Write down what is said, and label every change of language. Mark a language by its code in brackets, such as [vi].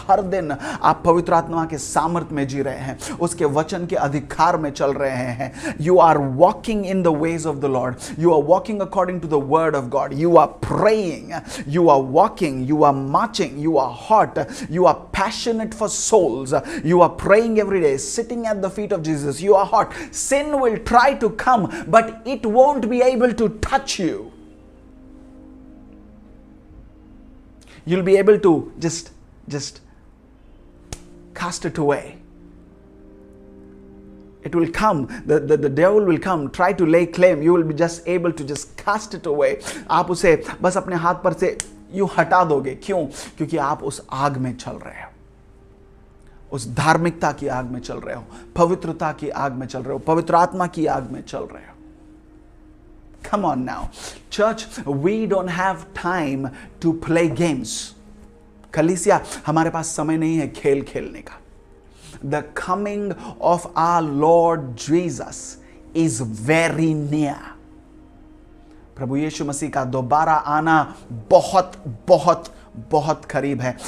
[hi] हर दिन आप पवित्र आत्मा के सामर्थ में जी रहे हैं, उसके वचन के अधिकार में चल रहे हैं. [en] You are walking in the ways of the Lord. You are walking according to the word of God. You are praying. You are walking. You are marching. You are hot. You are passionate for souls. You are praying every day, sitting at the feet of Jesus. You are hot. Sin will try to come, but it won't be able to touch you. You'll be able to just cast it away. It will come. The devil will come, try to lay claim. You will be just able to just cast it away. [hi] आप उसे बस अपने हाथ पर से you हटा दोगे. क्यों? क्योंकि आप उस आग में चल रहे हो, उस धार्मिकता की आग में चल रहे हो, पवित्रता की आग में चल रहे हो, पवित्र आत्मा की आग में चल रहे हो. [en] Come on now. Church, we don't have time to play games. [hi] Kalisia, हमारे पास समय नहीं है खेल खेलने का. [en] The coming of our Lord Jesus is very near. [hi] प्रभु यीशु मसीह का दोबारा आना बहुत बहुत बहुत करीब है.